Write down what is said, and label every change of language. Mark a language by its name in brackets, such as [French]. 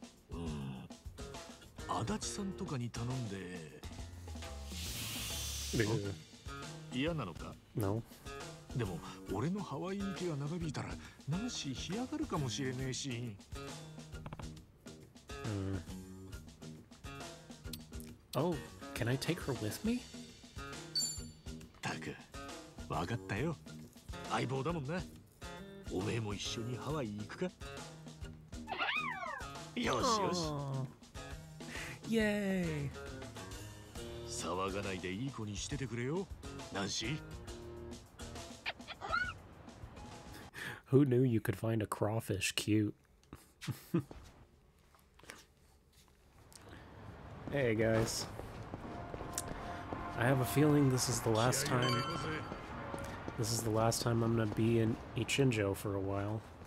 [Japanese] うん。足立さんとかに頼んで。嫌なのか。 [English] No. [Japanese] でも俺のハワイ行きが長引いたらナンシー冷やがるかもしれねえし。 [English] うん。Oh, can I take her with me? [Japanese] わかったよ。相棒だもんな。おめえも一緒にハワイ行くか。よしよし。イエーイ。騒がないでいい子にしててくれよ、ナンシー。 [English] Who knew you could find a crawfish cute? Hey guys. I have a feeling this is the last time. This is the last time I'm gonna be in Ichinjo for a while.